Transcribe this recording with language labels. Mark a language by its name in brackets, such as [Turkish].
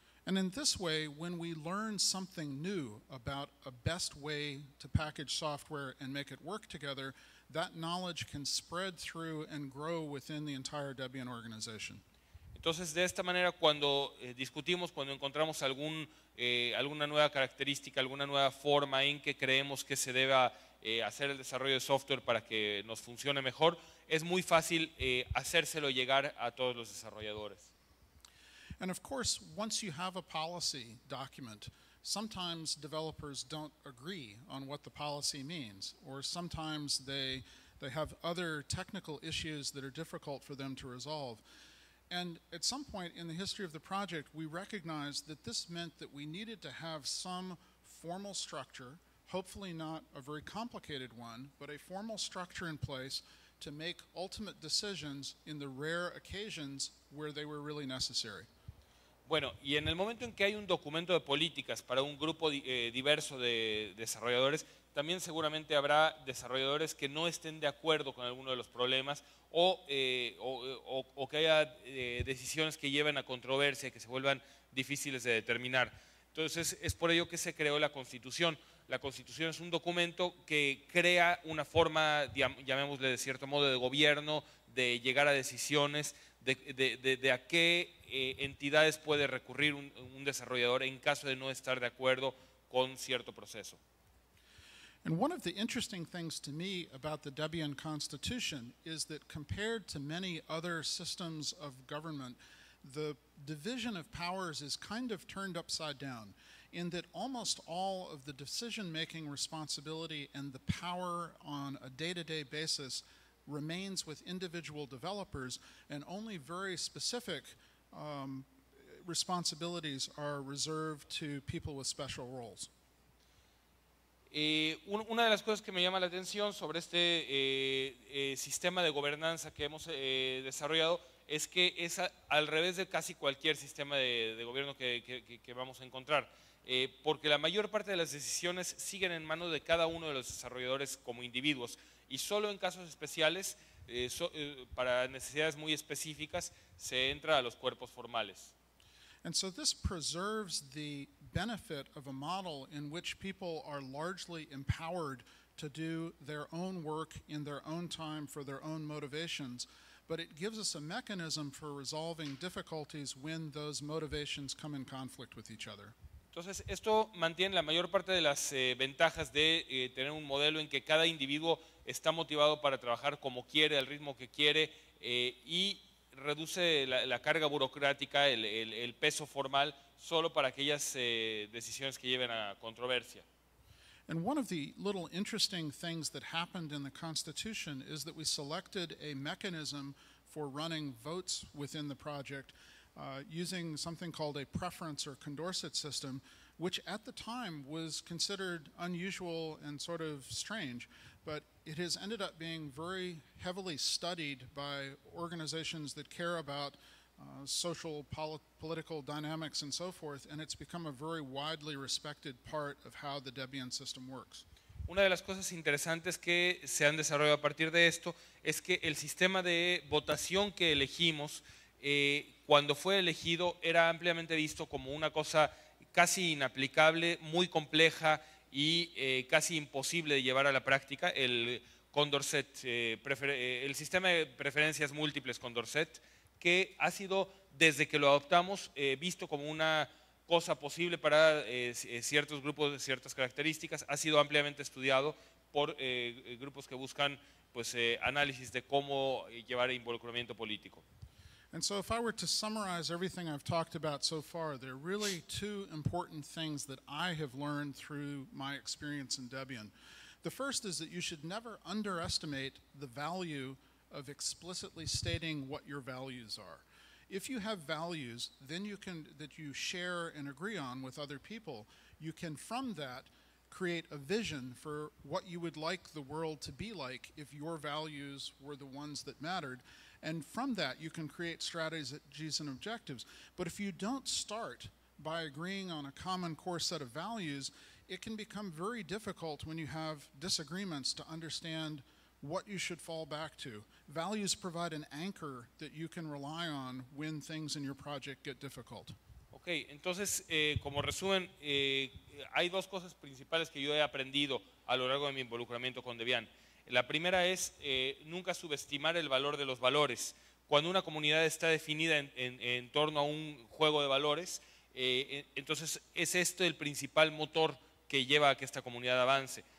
[English] And in this way, when we learn something new about a best way to package software and make it work together, that knowledge can spread through and grow within the entire Debian organization. [Spanish] Entonces, de esta manera, cuando discutimos, cuando encontramos alguna nueva característica, alguna nueva forma en que creemos que se deba hacer el desarrollo de software para que nos funcione mejor, es muy fácil hacérselo llegar a todos los desarrolladores. [English] And of course, once you have a policy document, sometimes developers don't agree on what the policy means, or sometimes they have other technical issues that are difficult for them to resolve. And at some point in the history of the project, we recognized that this meant that we needed to have some formal structure, hopefully not a very complicated one, but a formal structure in place to make ultimate decisions in the rare occasions where they were really necessary. [Spanish] Bueno, y en el momento en que hay un documento de políticas para un grupo diverso de desarrolladores, también seguramente habrá desarrolladores que no estén de acuerdo con alguno de los problemas o que haya decisiones que lleven a controversia, que se vuelvan difíciles de determinar. Entonces, es por ello que se creó la Constitución. La Constitución es un documento que crea una forma, llamémosle de cierto modo, de gobierno, de llegar a decisiones, de a qué entidades puede recurrir un desarrollador en caso de no estar de acuerdo con cierto proceso. [English] And one of the interesting things to me about the Debian Constitution is that compared to many other systems of government, the division of powers is kind of turned upside down, in that almost all of the decision-making responsibility and the power on a day-to-day basis remains with individual developers, and only very specific responsibilities are reserved to people with special roles. [Spanish] Una de las cosas que me llama la atención sobre este sistema de gobernanza que hemos desarrollado es que es al revés de casi cualquier sistema de gobierno que vamos a encontrar, porque la mayor parte de las decisiones siguen en manos de cada uno de los desarrolladores como individuos, y solo en casos especiales, para necesidades muy específicas, se entra a los cuerpos formales. [English] And so this preserves the benefit of a model in which people are largely empowered to do their own work in their own time for their own motivations, but it gives us a mechanism for resolving difficulties when those motivations come in conflict with each other. [Spanish] Entonces, esto mantiene la mayor parte de las ventajas de tener un modelo en que cada individuo está motivado para trabajar como quiere, al ritmo que quiere, y reduce la carga burocrática, el peso formal, solo para aquellas decisiones que lleven a controversia. [English] And one of the little interesting things that happened in the Constitution is that we selected a mechanism for running votes within the project using something called a preference or Condorcet system, which at the time was considered unusual and sort of strange, but it has ended up being very heavily studied by organizations that care about social, political dynamics and so forth, and it's become a very widely respected part of how the Debian system works. [Spanish] Una de las cosas interesantes que se han desarrollado a partir de esto es que el sistema de votación que elegimos, cuando fue elegido, era ampliamente visto como una cosa casi inaplicable, muy compleja y casi imposible de llevar a la práctica, el Condorcet, el sistema de preferencias múltiples Condorcet, que ha sido, desde que lo adoptamos, visto como una cosa posible para ciertos grupos de ciertas características, ha sido ampliamente estudiado por grupos que buscan análisis de cómo llevar involucramiento político. [English] And so if I were to summarize everything I've talked about so far, there are really two important things that I have learned through my experience in Debian. The first is that you should never underestimate the value of explicitly stating what your values are. If you have values then you can that you share and agree on with other people, you can from that create a vision for what you would like the world to be like if your values were the ones that mattered. And from that, you can create strategies and objectives. But if you don't start by agreeing on a common core set of values, it can become very difficult when you have disagreements to understand what you should fall back to. Values provide an anchor that you can rely on when things in your project get difficult. [Spanish] Okay, entonces, como resumen, hay dos cosas principales que yo he aprendido a lo largo de mi involucramiento con Debian. La primera es nunca subestimar el valor de los valores. Cuando una comunidad está definida en torno a un juego de valores, entonces es esto el principal motor que lleva a que esta comunidad avance.